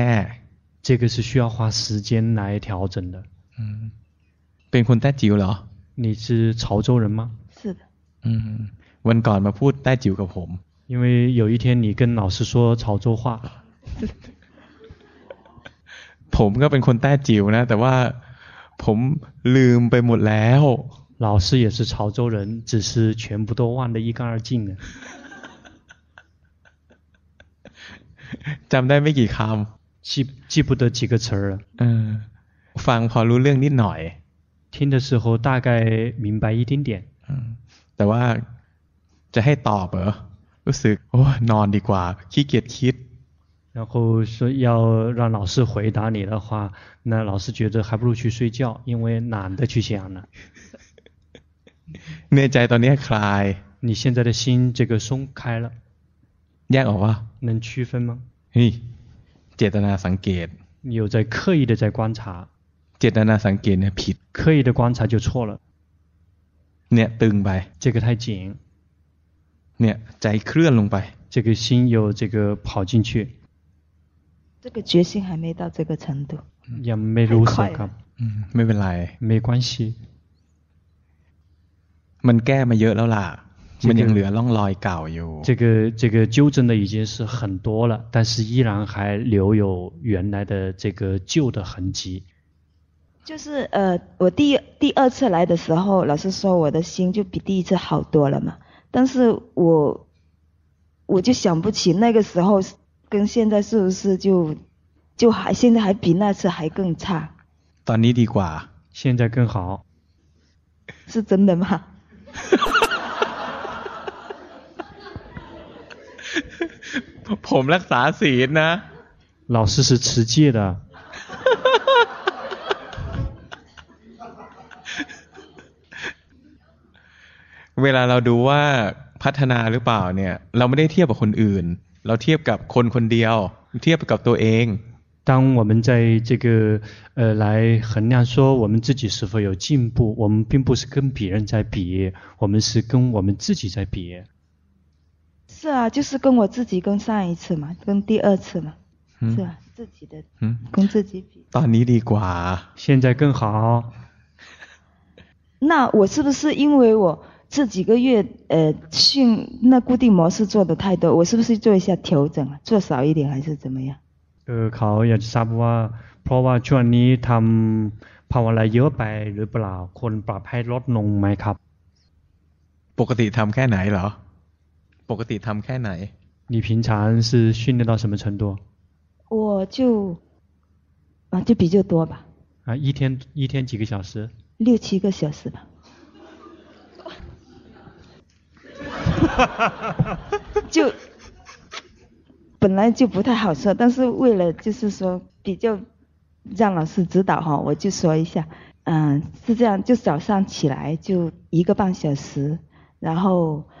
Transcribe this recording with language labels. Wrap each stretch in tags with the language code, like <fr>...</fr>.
<zh>这个是需要花时间来调整的</zh> <th>เป็นคนแต้จิ๋วเหรอ</th> <zh>你是潮州人吗是的</zh> <th>วันก่อนมาพูดแต้จิ๋วกับผม</th> <zh>因为有一天你跟老师说潮州话</zh> <th>ผมก็เป็นคนแต้จิ๋วนะแต่ว่าผมลืมไปหมดแล้ว</th> <zh>老师也是潮州人只是全部都忘得一干二净了</zh> <th>จำได้ไม่กี่คำ</th> <zh>记不得几个词了</zh> <th>ฟังพอรู้เรื่องนิดหน่อย</th> <zh>听的时候大概明白一点点</zh> <th>แต่ว่าจะให้ตอบเหรอรู้สึกโอ้นอนดีกว่าขี้เกียจคิด</th> <zh>然后说要让老师回答你的话那老师觉得还不如去睡觉因为懒得去想了</zh> <th>เนี่ยใจตอนนี้คลาย</th> <zh>你现在的心这个松开了</zh> <th>แยกออกว่า</th> <zh>能区分吗？</zh> <th>เจตนาสังเกต</th> <zh>你有在刻意的在观察</zh> <th>เจตนาสังเกตเนี่ยผิด</th> <zh>刻意的观察就错了</zh> <th>เนี่ยตึงไป</th> <zh>这个太紧</zh> <th>เนี่ยใจเคลื่อนลงไป</th> <zh>这个心有这个跑进去这个决心还没到这个程度</zh> <th>ยังไม่รู้สึกครับ ไม่เป็นไร</th> <zh>没关系</zh> <th>มันแก้มาเยอะแล้วล่ะมันยังเหลือร่องรอยเก่าอยู่</th> <zh>这个纠正的已经是很多了但是依然还留有原来的这个旧的痕迹就是我第二次来的时候老师说我的心就比第一次好多了嘛但是我就想不起那个时候跟现在是不是就还现在还比那次还更差</zh> <th>ตอนนี้ดีกว่า</th> <zh>现在更好是真的吗</zh> <th>ผมรักษาศีลนะ</th> <zh>老师是持戒的</zh> <th>เวลาเราดูว่าพัฒนาหรือเปล่าเนี่ยเราไม่ได้เทียบกับคนอื่นเราเทียบกับคนคนเดียวเทียบกับตัวเอง</th> <zh>当我们在这个来衡量说我们自己是否有进步我们并不是跟别人在比我们是跟我们自己在比是啊就是跟我自己跟上一次嘛跟第二次嘛是啊自己的跟自己比</zh> <th>ตอนนี้ดีกว่า</th> <zh>现在更好那我是不是因为我这几个月训那固定模式做的太多我是不是做一下调整做少一点还是怎么样</zh> <th>เขาอยากจะทราบว่าเพราะว่าช่วงนี้ทำภาวนาเยอะไปหรือเปล่าคนปรับให้ลดลงไหมครับ ปกติทำแค่ไหนเหรอปกติทำแค่ไหน</th> <zh>你平常是训练到什么程度我就啊就比较多吧啊一天几个小时六七个小时吧就本来就不太好说但是为了就是说比较让老师指导哈我就说一下是这样就早上起来就一个半小时然后</zh>